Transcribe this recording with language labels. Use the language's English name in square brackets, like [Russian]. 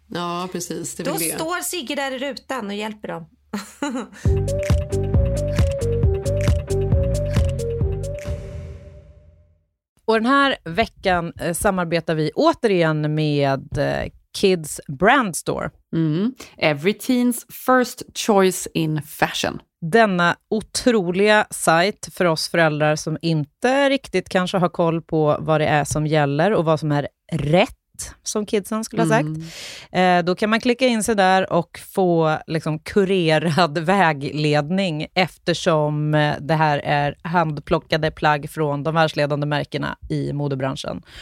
[Swedish] Ja, precis. Det då vill står Sigge där i rutan och hjälper dem. Och den här veckan samarbetar vi återigen med... Kids Brand Store. Mm. [English] Every teen's first choice in fashion. [Swedish] Denna otroliga sajt för oss föräldrar som inte riktigt kanske har koll på vad det är som gäller och vad som är rätt, som kidsen skulle ha sagt. Då kan man klicka in sig där och få liksom kurerad vägledning eftersom det här är handplockade plagg från de världsledande märkena i modebranschen.